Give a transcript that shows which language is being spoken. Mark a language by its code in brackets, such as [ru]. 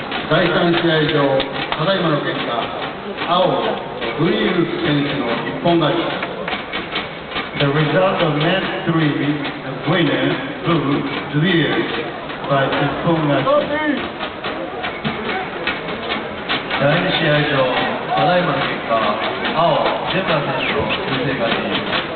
[ja] 第3試合場、ただいまの結果、青、グリールス選手の一本勝ち。 [en] The result of match 3 is a winner, blue, clear, by 一本勝ち。 [ja] 第2試合場、ただいまの結果、青、ジェンダー選手の先制勝ち。